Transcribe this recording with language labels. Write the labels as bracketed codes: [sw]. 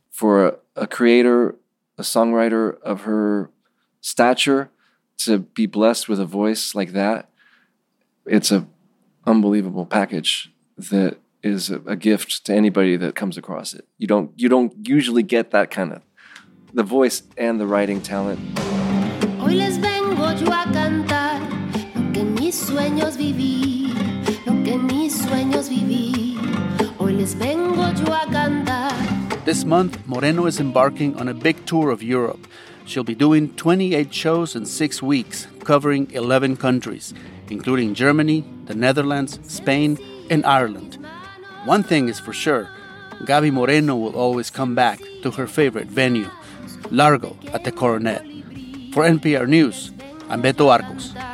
[en] For a creator, a songwriter of her stature, to be blessed with a voice like that, it's an unbelievable package that is a gift to anybody that comes across it. You don't usually get that kind of the voice and the writing talent. [es] Hoy les vengo yo a cantar lo que en mis sueños viví, lo que en mis sueños viví. Hoy les vengo yo a cantar. [en] This month, Moreno is embarking on a big tour of Europe. She'll be doing 28 shows in 6 weeks, covering 11 countries, including Germany, the Netherlands, Spain, and Ireland. One thing is for sure, Gaby Moreno will always come back to her favorite venue, Largo at the Coronet. For NPR News, I'm Beto Arcos.